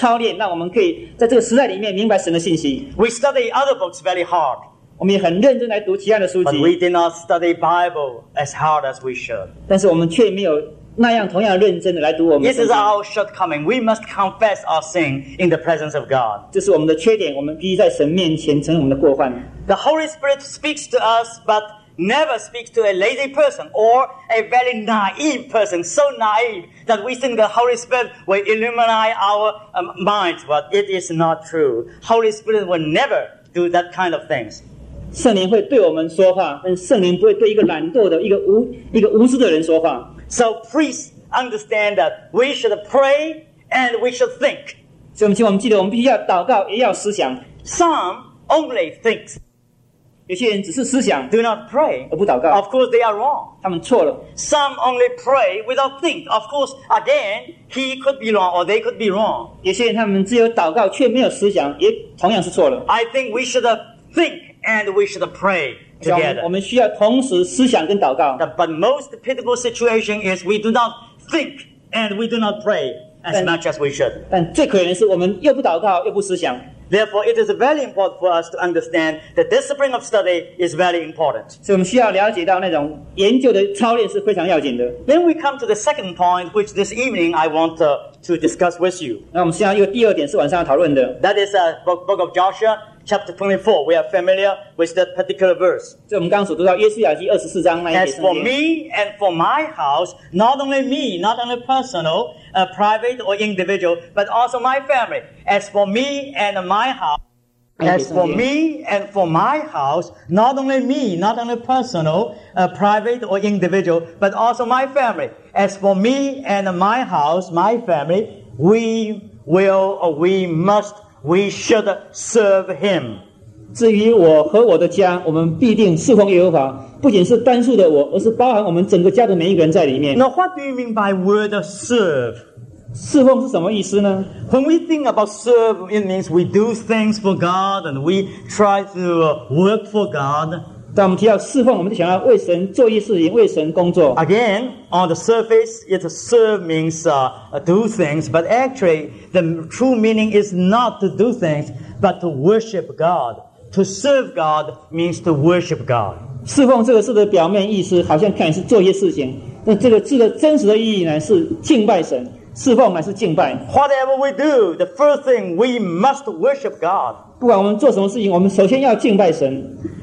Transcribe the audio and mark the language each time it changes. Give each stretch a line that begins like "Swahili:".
Chinese: 所以如果我们只是强调说要属灵，要属灵，带着弟兄变得那样的幼稚，就是一个很可怕的一个事情。所以我们需要在恩典里面要操练，让我们可以在这个时代里面明白神的信息。
English: We study other books very hard.
Chinese: 我们也很认真来读其他的书籍。
English: But we did not study Bible as hard as we should.
Chinese: 但是我们却没有那样同样认真的来读我们的圣经。
English: This is our shortcoming. We must confess our sin in the presence of God.
Chinese: 这是我们的缺点，我们必须在神面前承认我们的过犯。
English: The Holy Spirit speaks to us, but never speaks to a lazy person or a very naive person, so naive that we think the Holy Spirit will illuminate our minds, but it is not true. Holy Spirit will never do that kind of things.
Chinese: 圣灵会对我们说话，但圣灵不会对一个懒惰的、一个无知的人说话。
English: So priests understand that we should pray and we should think.
Chinese: 所以我们记得我们必须要祷告，也要思想。
English: Some only think.
Chinese: 有些人只是思想,
English: do not pray,
Chinese: 而不祷告,
English: of course they are wrong.
Chinese: 他们错了,
English: some only pray without think. Of course, again, he could be wrong or they could be wrong.
Chinese: 有些人他们只有祷告, 却没有思想, 也同样是错了,
English: I think we should think and we should pray together.
Chinese: 我们需要同时思想跟祷告,
English: but most pitiful situation is we do not think and we do not pray as much as we should.
Chinese: 但最可怜的是我们又不祷告又不思想。
English: Therefore, it is very important for us to understand the discipline of study is very important. Then we come to the second point, which this evening I want to discuss with you. That is the book of Joshua, chapter 24. We are familiar with that particular verse. As for me and for my house, not only me, not only personal, private or individual, but also my family. As for me and my house, as for me and my house, my family, we will or we must, we should serve him.
Chinese: 至于我和我的家，我们必定侍奉耶和华。不仅是单数的我，而是包含我们整个家的每一个人在里面。
English: Now, what do you mean by word of serve?
Chinese: 侍奉是什么意思呢?
English: When we think about serve, it means we do things for God and we try to work for God.
Chinese: 当我们提到侍奉，我们就想要为神做一事情，为神工作。
English: Again, on the surface, it serve means do things, but actually, the true meaning is not to do things, but to worship God. To serve God means to worship God.
Chinese: 侍奉这个事的表面意思好像看起来是做一些事情，但这个字的真实的意义呢是敬拜神，侍奉乃是敬拜。
English: Whatever we do, the first thing we must worship God.
Chinese: 不管我们做什么事情，我们首先要敬拜神。